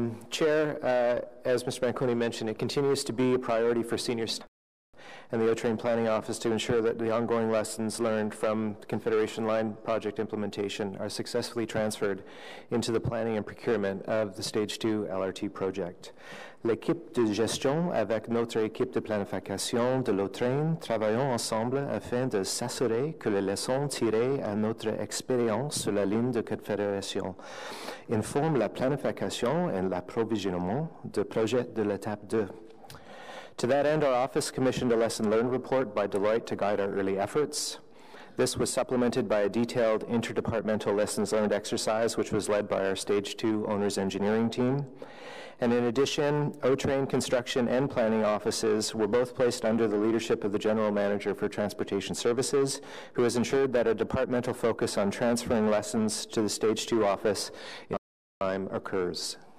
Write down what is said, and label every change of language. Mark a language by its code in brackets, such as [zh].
[en] Chair, as Mr. Manconi mentioned, it continues to be a priority for senior staff and the O-Train Planning Office to ensure that the ongoing lessons learned from Confederation Line project implementation are successfully transferred into the planning and procurement of the Stage 2 LRT project. [fr] L'équipe de gestion avec notre équipe de planification de l'O-Train travaillons ensemble afin de s'assurer que les leçons tirées à notre expérience sur la ligne de Confédération informent la planification et l'approvisionnement de projets de l'étape 2. [en] To that end, our office commissioned a lesson learned report by Deloitte to guide our early efforts. This was supplemented by a detailed interdepartmental lessons learned exercise, which was led by our Stage 2 owners engineering team. And in addition, O-Train construction and planning offices were both placed under the leadership of the General Manager for Transportation Services, who has ensured that a departmental focus on transferring lessons to the Stage 2 office in time occurs.